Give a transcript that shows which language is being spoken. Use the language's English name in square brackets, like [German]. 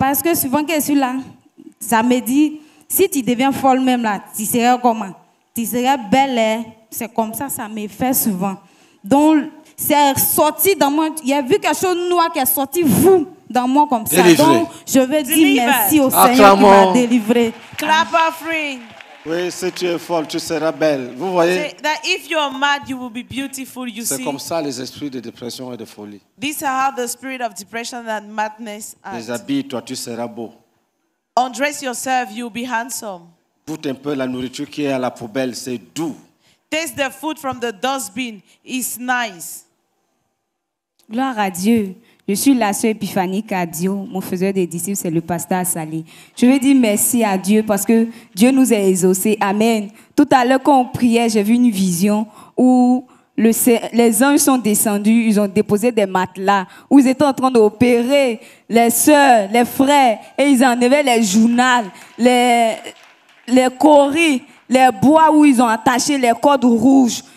[French] Parce que souvent, que je suis là, ça me dit, si tu deviens folle même là, tu serais comment? Tu serais belle, hein? C'est comme ça, ça me fait souvent. Donc, c'est sorti dans moi. Il y a vu quelque chose de noir qui est sorti, vous! Dans moi comme délivré. Ça. Donc, je veux dire merci au Seigneur qui m'a délivré. [English] Clap offering. [French] Oui, si tu es folle, tu seras belle. Vous voyez? [English] That if you are mad, you will be beautiful. You [French] c'est [English] see? [French] Comme ça les esprits de dépression et de folie. [English] These are how the spirit of depression and madness act. [French] Déshabille-toi, tu seras beau. [English] Undress yourself, you will be handsome. [French] Goûte un peu la nourriture qui est à la poubelle, c'est doux. [English] Taste the food from the dustbin, it's nice. [French] Gloire à Dieu. Je suis la sœur Epiphanie Cadio, mon faiseur des disciples, c'est le pasteur Salé. Je veux dire merci à Dieu parce que Dieu nous a exaucés. Amen. Tout à l'heure, quand on priait, j'ai vu une vision où les anges sont descendus, ils ont déposé des matelas, où ils étaient en train d'opérer les sœurs, les frères, et ils enlevaient les journaux, les coris, les bois où ils ont attaché les cordes rouges.